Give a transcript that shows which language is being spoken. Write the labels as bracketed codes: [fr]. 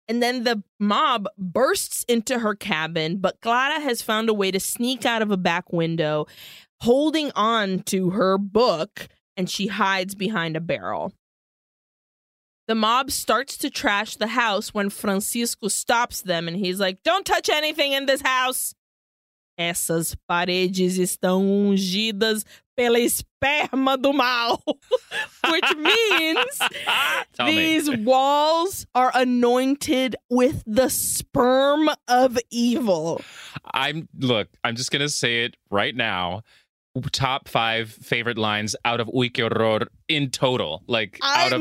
[en] And then the mob bursts into her cabin, but Clara has found a way to sneak out of a back window, holding on to her book, and she hides behind a barrel. The mob starts to trash the house when Francisco stops them, and he's like, don't touch anything in this house. [pt] Essas paredes estão ungidas pela esperma do mal. [en] Which means these walls are anointed with the sperm of evil. I'm just going to say it right now. Top 5 favorite lines out of Uike Horror in total. Like, out of